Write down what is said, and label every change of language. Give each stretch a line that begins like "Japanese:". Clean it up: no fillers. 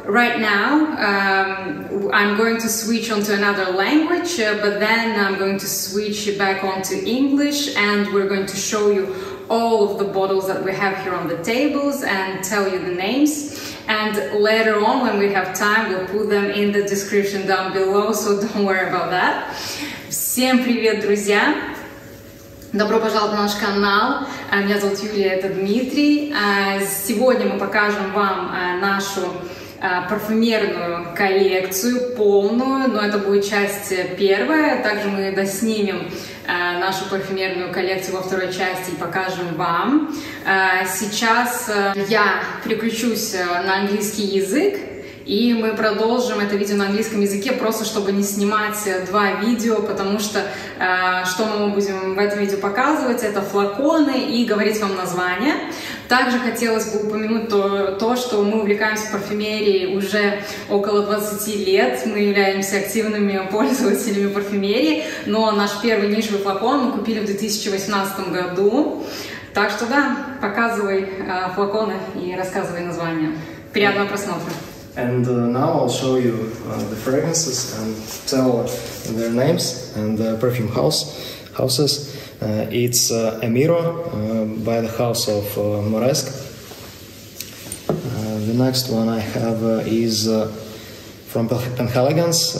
English: Right now, I'm going to switch onto another language, but then I'm going to switch back onto English and we're going to show you all of the bottles that we have here on the tables and tell you the names. And later on, when we have time, we'll put them in the description down below, so don't worry about that.
Russian: Всем привет, друзья! Добро пожаловать на наш канал. Меня зовут Юлия, это Дмитрий. Сегодня мы покажем вам нашу парфюмерную коллекцию полную, но это будет часть первая. Также мы доснимем нашу парфюмерную коллекцию во второй части и покажем вам. Сейчас я переключусь на английский язык и мы продолжим это видео на английском языке, просто чтобы не снимать два видео, потому что что мы будем в этом видео показывать, это флаконы и говорить вам названия. Также хотелось бы упомянуть то, что мы увлекаемся парфюмерией уже около 20 лет. Мы являемся активными пользователями парфюмерии, но наш первый нишевый флакон мы купили в 2018 году. Так что да, показывай флаконы и рассказывай названия. Приятного просмотра!
English: And now I'll show you the fragrances and tell their names and the perfume houses. It's Amiro by the house of Moresque. The next one I have is from Penhaligon's.